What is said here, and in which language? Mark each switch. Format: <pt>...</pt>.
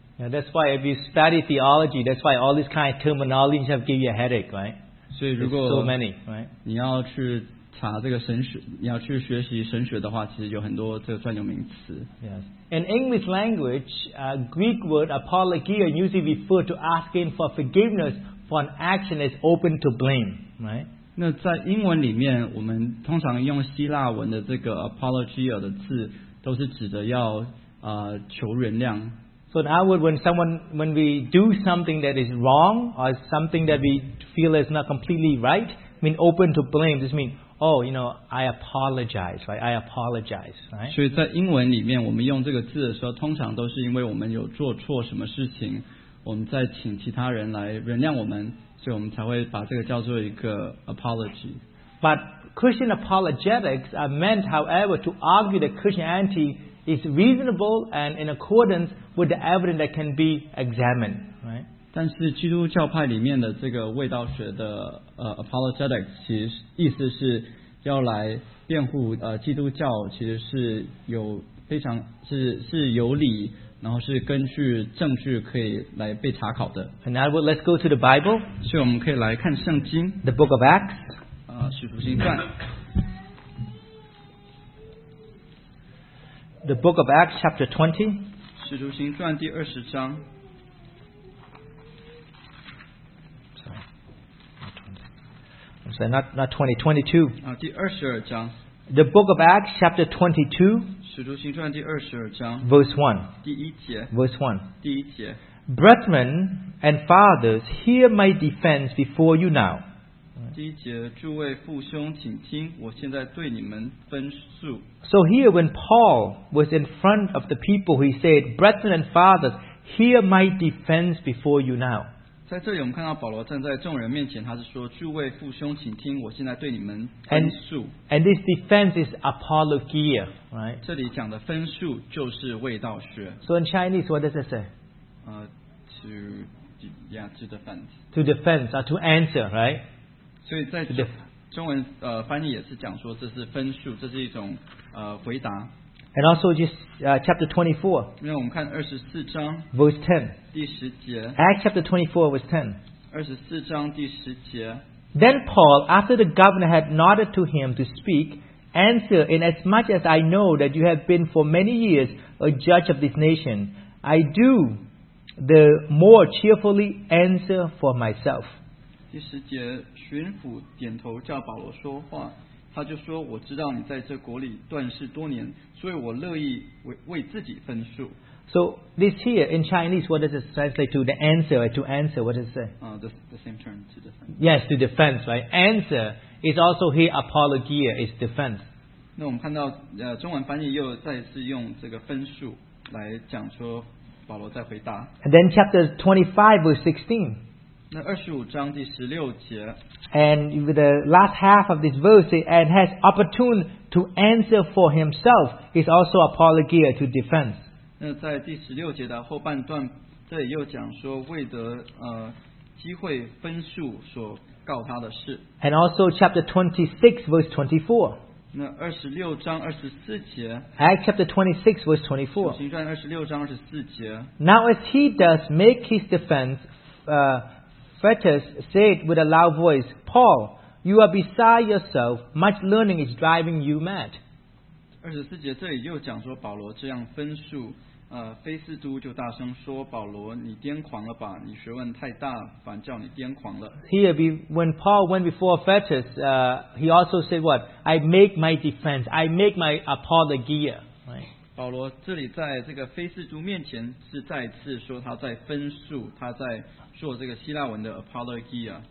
<en>Now that's why if you study theology, that's why all these kind of terminology have give you a headache, right? So many, right?</en> <zh>你要去查这个神学，你要去学习神学的话，其实有很多这个专有名词。</zh> <en>Yes. In English language, Greek word apologia usually refer to asking for forgiveness for an action that's open to blame, right?</en> <zh>那在英文里面，我们通常用希腊文的这个 apologia 的字，都是指的要求原谅。</zh> <en>So in our word, when we do something that is wrong or something that we feel is not completely right, I mean open to blame, this means, oh, you know, I apologize, right? I apologize, right?</en> <zh>所以在英文里面，我们用这个字的时候，通常都是因为我们有做错什么事情，我们在请其他人来原谅我们，所以我们才会把这个叫做一个 apology.</zh> <en>But Christian apologetics are meant, however, to argue that Christianity is reasonable and in accordance with the evidence that can be examined, right?</en> <zh>但是基督教派里面的这个卫道学的apologetics 其实意思是要来辩护基督教其实是有非常 是有理，然后是根据证据可以来被查考的。</zh> <en>And now let's go to the Bible.</en> <zh>所以我们可以来看圣经。</zh> <en>The Book of Acts.</en> <zh>使徒行传。</zh> <en>The Book of Acts, chapter 20.</en> <zh>使徒行传第二十章。</zh> <en>So not 22. The book of Acts, chapter 22, verse 1. Brethren and fathers, hear my defense before you now.</en> <zh>第一节，诸位父兄，请听，我现在对你们分诉。</zh> <en>So here, when Paul was in front of the people, he said, Brethren and fathers, hear my defense before you now.</en> <zh>在这里我们看到保罗站在众人面前，他是说，诸位父兄请听，我现在对你们分诉。</zh> <en>And this defense is apologia, right?</en> <zh>这里讲的分诉就是卫道学。</zh> <en>So in Chinese, what does it say? To defend. To defense, or to answer, right?</en> <zh>所以在中文翻译也是讲说这是分诉，这是一种回答。</zh> <en>And also chapter 24,</en> <zh>我们看24章,</zh> <en>verse 10,</en> <zh>第十节,</zh> <en>Acts chapter 24, verse 10.</en> <zh>24章第十节,</zh> <en>Then Paul, after the governor had nodded to him to speak, answered, Inasmuch as I know that you have been for many years a judge of this nation, I do the more cheerfully answer for myself.</en> <zh>第十节, 巡抚点头叫保罗说话。他就说，我知道你在这国里断事多年，所以我乐意 为自己分数。</zh> <en>So this here in Chinese, what does it translate to? The answer, to answer, what does it say? The same term, to defense. Yes, to defense, right? Answer is also here, apologia is defense.</en> <zh>那我们看到中文翻译又再次用这个分数来讲说保罗在回答。</zh> <en>And then chapter 25 verse 16.</en> <zh>那二十五章第十六节</zh> <en>，and with the last half of this verse, and has opportune to answer for himself is also apologia to defense.</en> <zh>那在第十六节的后半段，这里又讲说为得机会分数所告他的事。</zh> <en>And also chapter 26 verse 24.</en> <zh>那二十六章二十四节</zh> <en>，Acts chapter 26 verse 24.</en> <zh>行传二十六章二十四节。</zh> <en>Now as he does make his defense, Fetus said with a loud voice, Paul, you are beside yourself. Much learning is driving you mad.</en> <zh>24节这里又讲说保罗这样分述，菲斯都就大声说，保罗，你癫狂了吧？你学问太大，反叫你癫狂了。</zh> <en>Here, when Paul went before Fetus, he also said what? I make my defense. I make my apologia. Right.</en> <zh>保罗这里在这个菲斯都面前是再次说他在分述，他在做这个希腊文的 apologia.</zh>